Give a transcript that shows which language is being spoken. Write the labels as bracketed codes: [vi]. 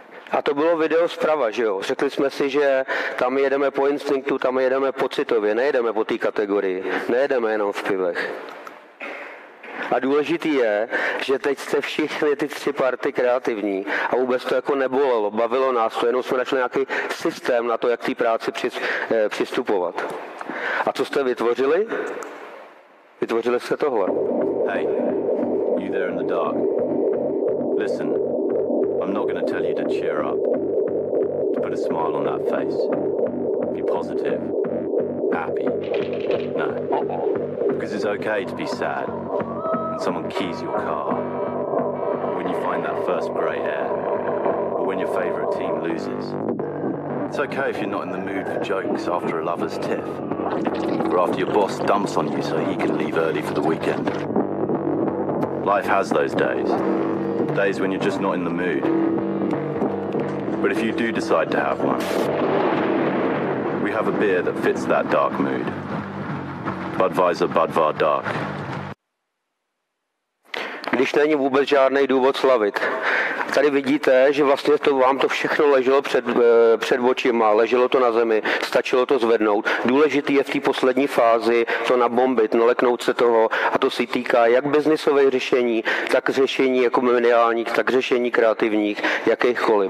[cs] A to bylo video zprava, že jo? Řekli jsme si, že tam jedeme po instinktu, tam jedeme pocitově, nejedeme po té kategorii, nejedeme jenom v pivech. A důležitý je, že teď jste všichni ty tři party kreativní a vůbec to jako nebolelo, bavilo nás to, jenom jsme našli nějaký systém na to, jak k té práci přistupovat. A co jste vytvořili? Vytvořili jste tohle. [en] Hey, you there in the dark. Listen, I'm not gonna tell you to cheer up, to put a smile on that face, be positive, happy. No, because it's okay to be sad. When someone keys your car, or when you find that first grey hair, or when your favourite team loses. It's okay if you're not in the mood for jokes after a lover's tiff, or after your boss dumps on you so he can leave early for the weekend. Life has those days, days when you're just not in the mood. But if you do decide to have one, we have a beer that fits that dark mood. Budweiser Budvar Dark. [cs] Když není vůbec žádný důvod slavit. tady vidíte, že vlastně to vám to všechno leželo před očima, leželo to na zemi, stačilo to zvednout. Důležitý je v té poslední fázi to nabombit, naleknout se toho, a to se týká jak biznisové řešení, tak řešení jako mediálních, tak řešení kreativních, jakýchkoliv.